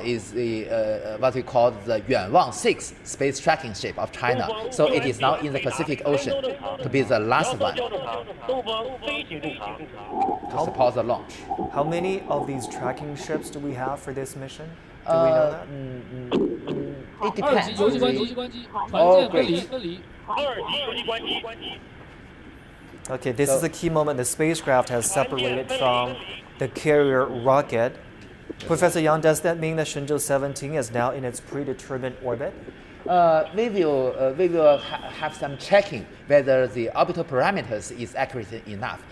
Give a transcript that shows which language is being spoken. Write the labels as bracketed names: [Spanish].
[English] is the what we call the Yuanwang 6 space tracking ship of China. So it is now in the Pacific Ocean to be the last one to support the launch. How many of these tracking ships do we have for this mission? Do we know that? It depends. [Chinese] 二级游击关机，船舰分离。 [English] Okay, this is a key moment. The spacecraft has separated from the carrier rocket. Professor Yang, does that mean that Shenzhou 17 is now in its predetermined orbit? We will have some checking whether the orbital parameters is accurate enough.